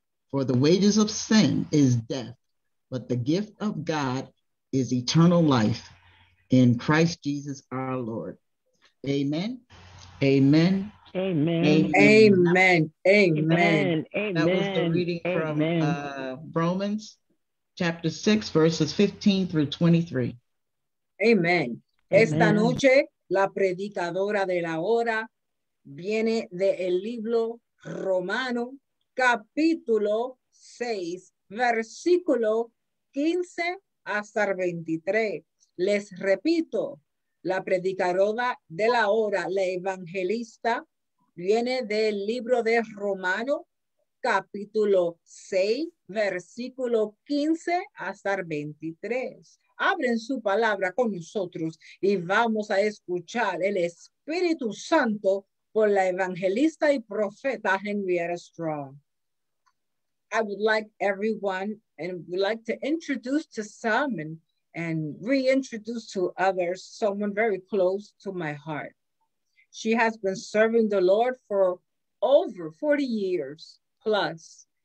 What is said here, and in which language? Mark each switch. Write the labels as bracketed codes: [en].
[en] For the wages of sin is death, but the gift of God is eternal life in Christ Jesus our Lord. Amen. Amen. Amen. Amen. Amen. Amen. Amen. That was the reading from Romans chapter 6, verses 15 through 23. Amen. Amen. [es] Esta noche, la predicadora de la hora viene de el libro Romano, capítulo 6, versículo 15 hasta 23. Les repito, la predicadora de la hora, la evangelista, viene del libro de Romano, capítulo 6, versículo 15 hasta 23. Abren su palabra con nosotros y vamos a escuchar el Espíritu Santo por la evangelista y profeta Henrietta Strong. [en] I would like everyone and would like to introduce to some and reintroduce to others someone very close to my heart. She has been serving the Lord for over 40 years plus.